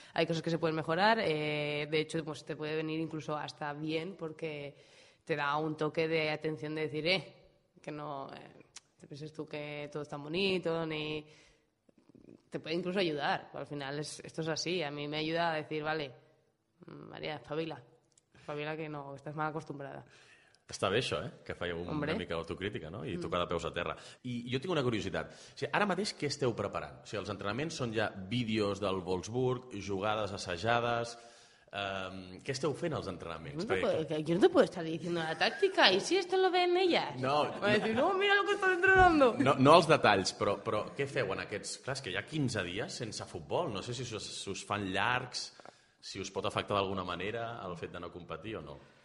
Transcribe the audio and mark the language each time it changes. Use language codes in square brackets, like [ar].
[es] Hay cosas que se pueden mejorar. De hecho, pues te puede venir incluso hasta bien porque te da un toque de atención de decir, que no te pienses tú que todo es tan bonito ni... Te puede incluso ayudar, al final esto es así, a mí me ayuda a decir, vale, María, espavila que no, estás mal acostumbrada. [ca] Està bé això, que feia una mica d'autocrítica, no? I tocar de peus a terra. I jo tinc una curiositat, ara mateix què esteu preparant? Els entrenaments són ja vídeos del Wolfsburg, jugades assajades... ¿Qué esteu fent els entrenaments? [es] Yo no te puedo estar diciendo la táctica y si esto lo ven ellas. No, decir, oh, mira lo que están entrenando. [ca] No els detalls, però què feu en aquests... Clar, és que hi ha 15 dies sense futbol. No sé si us fan llargs, si us pot afectar d'alguna manera el fet de no competir o no.